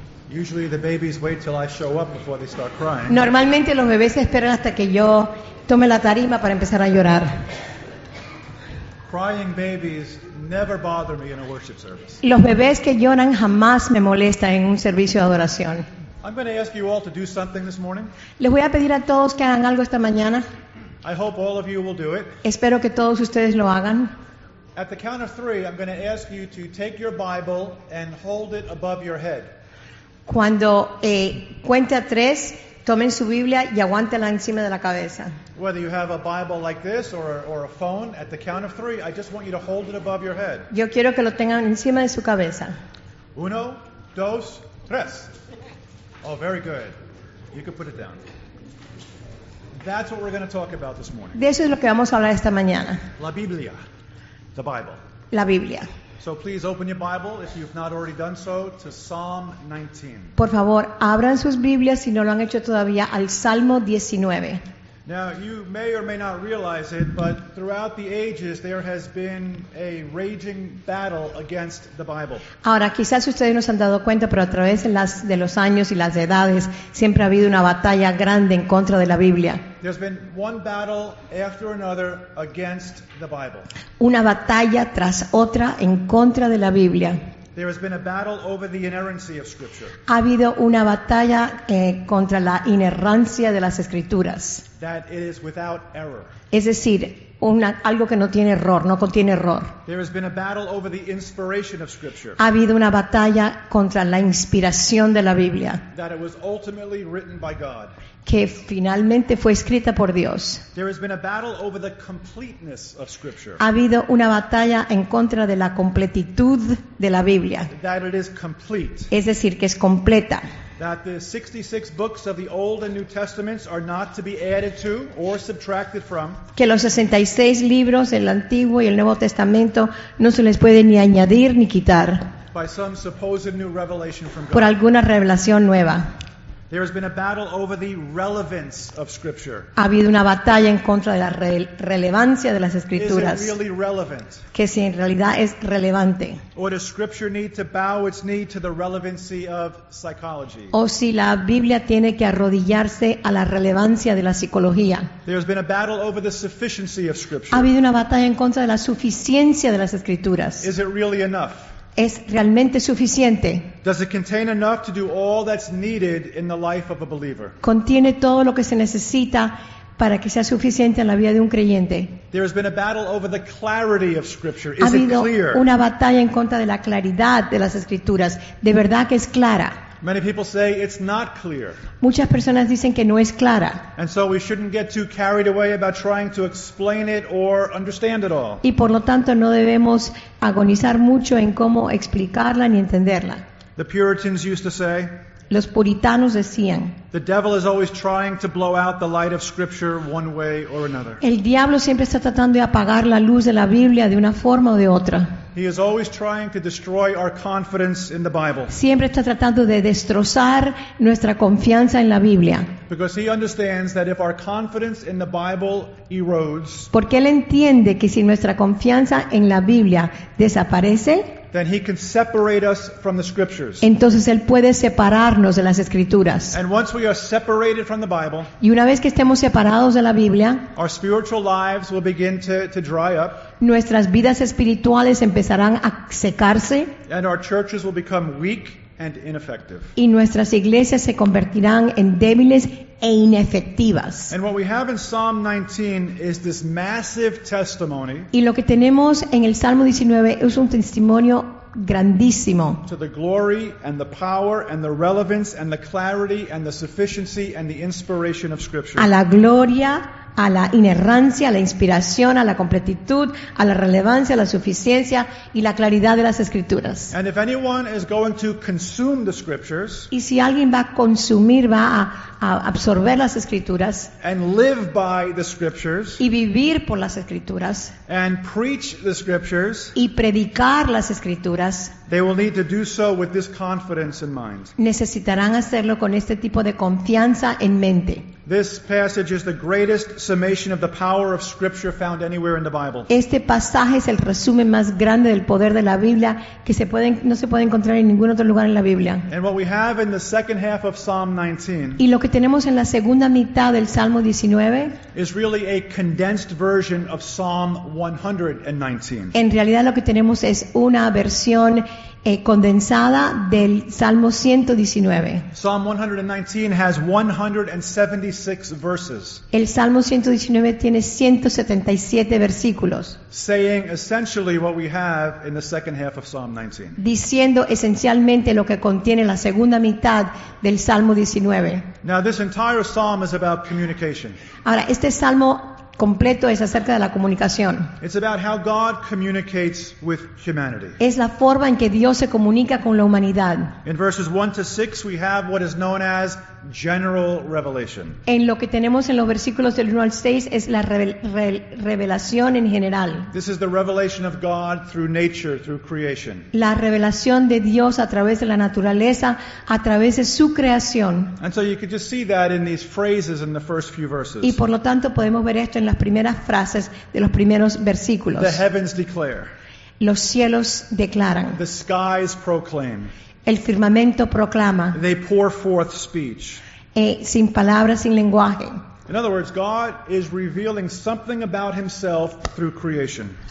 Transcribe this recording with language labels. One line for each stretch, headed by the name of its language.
English: Usually the babies wait till I show up before they start crying.
Spanish: Normalmente los bebés esperan hasta que yo tome la tarima para empezar a llorar.
English: Crying babies never bother me in a worship service.
Spanish: Los bebés que lloran jamás me molestan en un servicio de adoración.
English: I'm going to ask you all to do something this morning.
Spanish: Les voy a pedir a todos que hagan algo esta mañana.
English: I hope all of you will do it.
Spanish: Espero que todos ustedes lo hagan.
English: At the count of three, I'm going to ask you to take your Bible and hold it above your head.
Spanish: Cuando cuente a tres, tomen su Biblia y aguántela encima de la cabeza.
English: Whether you have a Bible like this or a phone, at the count of three, I just want you to hold it above your head.
Spanish: Yo quiero que lo tengan encima de su cabeza. Uno, dos, tres.
English: Oh, very good. You can put it down. That's what we're going to talk about this morning.
Spanish: De eso es lo que vamos a hablar esta mañana. La Biblia.
English: The Bible.
Spanish: La Biblia.
English: So please open your Bible, if you've not already done so, to Psalm 19.
Spanish: Por favor, abran sus Biblias si no lo han hecho todavía al Salmo 19.
English: Now, you may or may not realize it, but throughout the ages there has been a raging battle against the Bible.
Spanish: Ahora, quizás ustedes no se han dado cuenta, pero a través de los años y las edades siempre ha habido una batalla grande en contra de la Biblia.
English: There's been one battle after another against the Bible.
Spanish: Una batalla tras otra en contra de la Biblia.
English: There has been a battle over the inerrancy of Scripture.
Spanish: Ha habido una batalla contra la inerrancia de las Escrituras.
English: That is without error.
Spanish: Es decir, algo que no tiene error, no contiene error.
English: There has been a battle over the inspiration of Scripture.
Spanish: Ha habido una batalla contra la inspiración de la Biblia.
English: That it was ultimately written by God.
Spanish: Que finalmente fue escrita por Dios.
English: There has been a battle over the completeness of Scripture.
Spanish: Ha habido una batalla en contra de la completitud de la Biblia.
English: That it is complete.
Spanish: Es decir, que es completa.
English: That the 66 books of the Old and New Testaments are not to be added to or subtracted from.
Spanish: Que los 66 libros, el Antiguo y el Nuevo Testamento, no se les puede ni añadir ni quitar.
English: By some supposed new revelation from God.
Spanish: Por alguna revelación nueva.
English: There has been a battle over the relevance of Scripture.
Spanish: Ha habido una batalla en contra de la relevancia de las Escrituras.
English: Is it really relevant?
Spanish: Que si en realidad es relevante.
English: Or does Scripture need to bow its knee to the relevancy of psychology?
Spanish: O si la Biblia tiene que arrodillarse a la relevancia de la psicología.
English: There has been a battle over the sufficiency of Scripture.
Spanish: Ha habido una batalla en contra de la suficiencia de las Escrituras.
English: Is it really enough?
Spanish: ¿Es realmente suficiente?
English: Does it contain enough to do all that's needed in the life of a believer?
Spanish: ¿Contiene todo lo que se necesita para que sea suficiente en la vida de un creyente?
English: There has been a battle over the clarity of Scripture. Is it clear?
Spanish: Ha habido una batalla en contra de la claridad de las Escrituras. ¿De verdad que es clara?
English: Many people say it's not clear.
Spanish: Muchas personas dicen que no es clara.
English: And so we shouldn't get too carried away about trying to explain it or understand it all.
Spanish: Y por lo tanto no debemos agonizar mucho en cómo explicarla ni entenderla.
English: The Puritans used to say,
Spanish: los puritanos decían,
English: the devil is always trying to blow out the light of Scripture one way or another.
Spanish: El diablo siempre está tratando de apagar la luz de la Biblia de una forma o de otra.
English: He is always trying to destroy our confidence in the Bible.
Spanish: Siempre está tratando de destrozar nuestra confianza en la Biblia.
English: Because he understands that if our confidence in the Bible erodes,
Spanish: porque él entiende que si nuestra confianza en la Biblia desaparece,
English: then he can separate us from the Scriptures.
Spanish: Entonces él puede separarnos de las Escrituras.
English: And once we are separated from the Bible,
Spanish: y una vez que estemos separados de la Biblia,
English: our spiritual lives will begin to dry up.
Spanish: Nuestras vidas espirituales empezarán a secarse.
English: And our churches will become weak and ineffective.
Spanish: Y nuestras iglesias se convertirán en débiles e inefectivas.
English: And what we have in Psalm 19 is this massive testimony.
Spanish: Y lo que tenemos en el Salmo 19 es un testimonio grandísimo.
English: To the glory and the power and the relevance and the clarity and the sufficiency and the inspiration of Scripture.
Spanish: A la gloria, a la inerrancia, a la inspiración, a la completitud, a la relevancia, a la suficiencia y la claridad de las Escrituras.
English: And if anyone is going to consume the Scriptures,
Spanish: y si alguien va a consumir, va a absorber las Escrituras,
English: and live by the Scriptures,
Spanish: y vivir por las Escrituras,
English: and preach the Scriptures,
Spanish: y predicar las Escrituras,
English: they will need to do so with this confidence in mind.
Spanish: Necesitarán hacerlo con este tipo de confianza en mente.
English: This passage is the greatest summation of the power of Scripture found anywhere in the Bible.
Spanish: Este pasaje es el resumen más grande del poder de la Biblia que no se puede encontrar en ningún otro lugar en la Biblia.
English: And what we have in the second half of Psalm 19,
Spanish: y lo que tenemos en la segunda mitad del Salmo 19,
English: is really a condensed version of Psalm 119.
Spanish: En realidad lo que tenemos es una versión condensada del Salmo 119.
English: Psalm 119 has 176 verses.
Spanish: El Salmo 119 tiene 177 versículos.
English: Saying essentially what we have in the second half of Psalm 19.
Spanish: Diciendo esencialmente lo que contiene la segunda mitad del Salmo 19.
English: Now this entire psalm is about communication.
Spanish: Ahora este salmo completo es acerca de la comunicación.
English: It's about how God communicates with humanity.
Spanish: Es la forma en que Dios se comunica con la humanidad.
English: In verses 1 to 6 we have what is known as general revelation.
Spanish: En lo que tenemos en los versículos del 1 al 6 es la revelación en general.
English: This is the revelation of God through nature, through creation.
Spanish: La revelación de Dios a través de la naturaleza, a través de su creación.
English: And so you could just see that in these phrases in the first few verses.
Spanish: Y por lo tanto podemos ver esto en las primeras frases de los primeros versículos.
English: The heavens declare.
Spanish: Los cielos declaran.
English: The skies proclaim.
Spanish: El firmamento proclama.
English: They pour forth speech.
Spanish: Sin palabras, sin lenguaje.
English: In other words, God is revealing something about himself through creation.